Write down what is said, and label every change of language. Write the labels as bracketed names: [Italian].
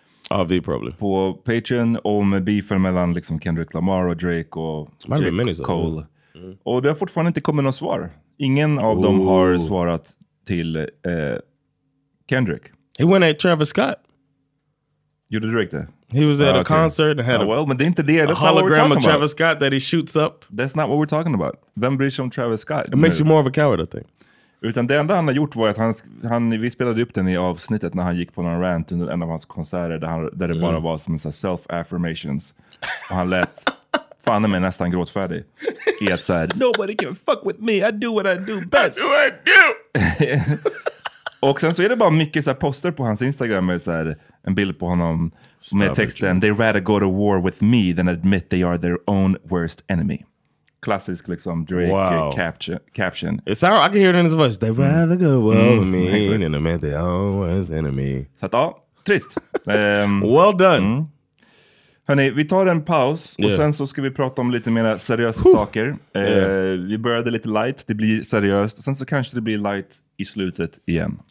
[English] AV, probably. [Swedish] På Patreon, om beefen mellan liksom Kendrick Lamar och Drake och Cole. Och det har fortfarande inte kommit något svar. Ingen av dem har svarat till Kendrick. [English] He went at Travis Scott. [Swedish] Gjorde Drake det? [English] He was at a concert and had a hologram of Travis Scott that he shoots up. That's not what we're talking about. [Swedish] Vem bryr sig om Travis Scott? [English] It makes you more of a coward, I think. [Swedish] Utan det enda han har gjort var att vi spelade upp den i avsnittet när han gick på någon rant under en av hans konserter där det bara var som en self-affirmations. Och han lät fan mig nästan gråtfärdig. I att så här, [English] nobody can fuck with me, I do what I do best. I do what I do! [Swedish] Och sen så är det bara mycket så här poster på hans Instagram med så här, en bild på honom med texten, [English] they rather go to war with me than admit they are their own worst enemy. [Swedish] Klassisk liksom Drake caption. [English] It's how I can hear it in his voice. They rather go to war with me than admit they are their worst enemy. [Swedish] Så att, trist. [English] Well done. [Swedish] Hörrni, vi tar en paus och sen så ska vi prata om lite mer seriösa saker. Vi började lite light, det blir seriöst. Och sen så kanske det blir light i slutet igen.